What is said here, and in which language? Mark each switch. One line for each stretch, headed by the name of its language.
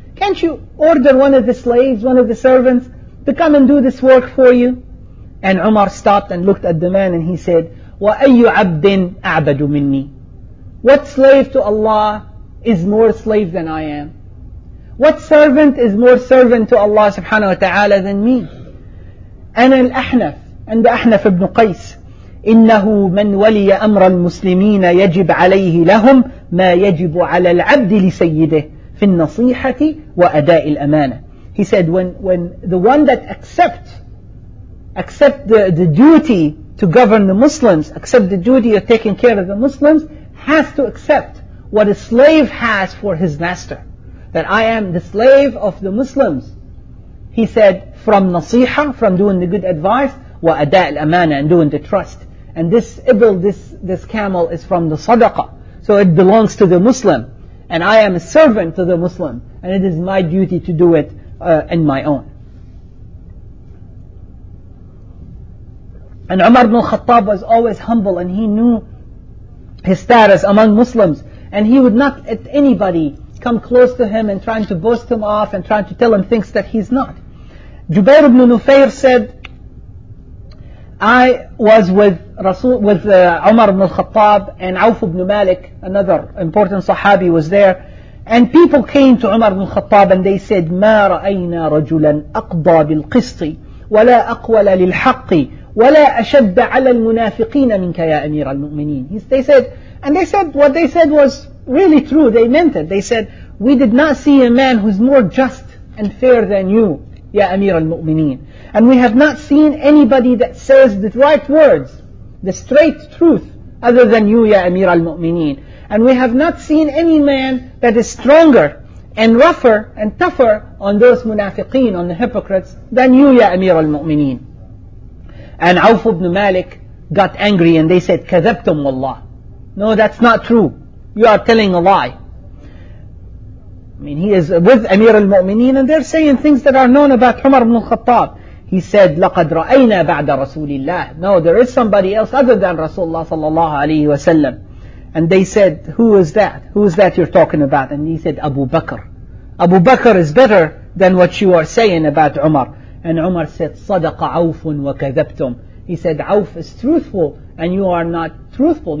English: Can't you order one of the slaves, one of the servants, to come and do this work for you? And Umar stopped and looked at the man and he said,
Arabic: وَأَيُّ عَبْدٍ أَعْبَدُ مِنِّي.
English: What slave to Allah is more slave than I am? What servant is more servant to Allah subhanahu wa ta'ala than me?
Arabic: أَنَا الْأَحْنَفُ. And Ahnaf ibn Qais, إِنَّهُ مَنْ وَلِيَ أَمْرَ الْمُسْلِمِينَ يَجِبْ عَلَيْهِ لَهُمْ مَا يَجِبُ عَلَى الْعَبْدِ لِسَيِّدِهِ فِي النَّصِيحَةِ وَأَدَاءِ الْأَمَانَةِ.
English: He said, when the one that accept the duty to govern the Muslims, accept the duty of taking care of the Muslims, has to accept what a slave has for his master. That I am the slave of the Muslims. He said, from nasiha, from doing the good advice,
Arabic: wa ada' al-amana,
English: and doing the trust. And this ibl, this camel is from the sadaqah. So it belongs to the Muslim. And I am a servant to the Muslim. And it is my duty to do it in my own. And Umar ibn al-Khattab was always humble, and he knew his status among Muslims. And he would not let anybody come close to him and trying to boast him off and trying to tell him things that he's not. Jubair ibn Nufayr said, I was with Umar ibn al-Khattab, and Awf ibn Malik, another important Sahabi, was there. And people came to Umar ibn al-Khattab and they said,
Arabic: مَا رَأَيْنَا رَجُلًا أَقْضَى بِالْقِسْطِ وَلَا أَقْوَلَ لِلْحَقِّ وَلَا أَشَدَّ عَلَى الْمُنَافِقِينَ مِنْكَ يَا أَمِيرَ الْمُؤْمِنِينَ.
English: They said, and they said, what they said was really true, they meant it. They said, we did not see a man who's more just and fair than you,
Arabic: يا أمير المؤمنين.
English: And we have not seen anybody that says the right words, the straight truth, other than you,
Arabic: يا أمير المؤمنين.
English: And we have not seen any man that is stronger and rougher and tougher on those munafiqeen, on the hypocrites, than you,
Arabic: يا أمير المؤمنين.
English: And Awf ibn Malik got angry and they said,
Arabic: كَذَبْتُمْ وَاللَّهِ.
English: No, that's not true. You are telling a lie. I mean, he is with Amir al-Mu'mineen and they're saying things that are known about Umar ibn al-Khattab. He said,
Arabic: لَقَدْ رَأَيْنَا بَعْدَ رَسُولِ اللَّهِ.
English: No, there is somebody else other than Rasulullah sallallahu alayhi wa sallam. And they said, who is that? Who is that you're talking about? And he said, Abu Bakr. Abu Bakr is better than what you are saying about Umar. And Umar said,
Arabic: صَدَقَ عَوْفٌ وَكَذَبْتُمْ.
English: He said, عَوْف is truthful, and you are not truthful.